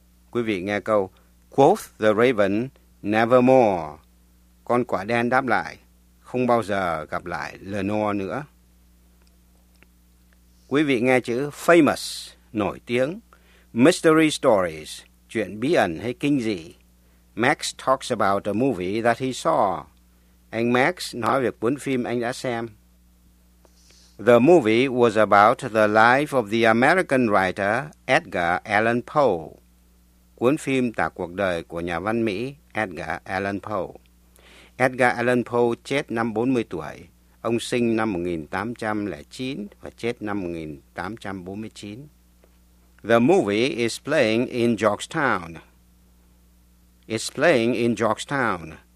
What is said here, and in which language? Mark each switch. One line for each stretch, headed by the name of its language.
Vietnamese: Quý vị nghe câu,
English: quoth the raven, nevermore.
Vietnamese: Con quạ đen đáp lại, không bao giờ gặp lại Lenore nữa. Quý vị nghe chữ famous, nổi tiếng,
English: mystery stories,
Vietnamese: chuyện bí ẩn hay kinh dị.
English: Max talks about a movie that he saw.
Vietnamese: Anh Max nói về cuốn phim anh đã xem.
English: The movie was about the life of the American writer Edgar Allan Poe.
Vietnamese: Cuốn phim tả cuộc đời của nhà văn Mỹ Edgar Allan Poe. Edgar Allan Poe chết năm 40 tuổi. Ông sinh năm 1809 và chết năm 1849.
English: The movie is playing in Georgetown. It's playing in Georgetown.